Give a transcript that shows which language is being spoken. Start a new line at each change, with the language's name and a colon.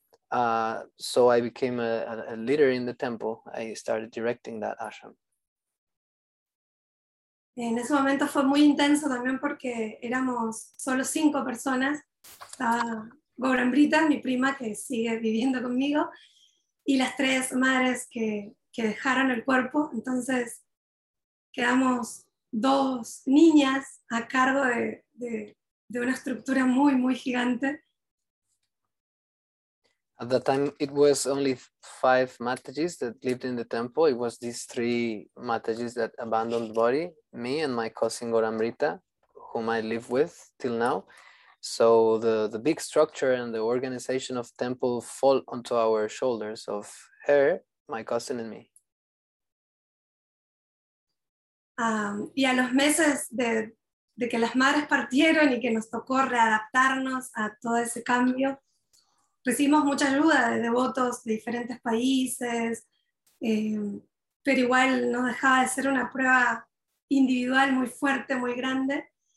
English: So I became a leader in the temple. I started directing that ashram.
Spanish: En ese momento fue muy intenso también porque éramos solo 5 personas. Estaba Gobran Brita, mi prima, que sigue viviendo conmigo, y las 3 madres que dejaron el cuerpo. Entonces quedamos 2 niñas a cargo de una estructura muy, muy gigante.
English: At that time, it was only 5 Matajis that lived in the temple. It was these 3 Matajis that abandoned the body, me and my cousin Goramrita, whom I live with till now. So the big structure and the organization of temple fall onto our shoulders of her, my cousin, and me.
Spanish: Y a los meses de que las madres partieron y que nos tocó readaptarnos a todo ese cambio, recibimos mucha ayuda de devotos de diferentes países, pero igual no dejaba de ser una prueba individual muy fuerte, muy grande.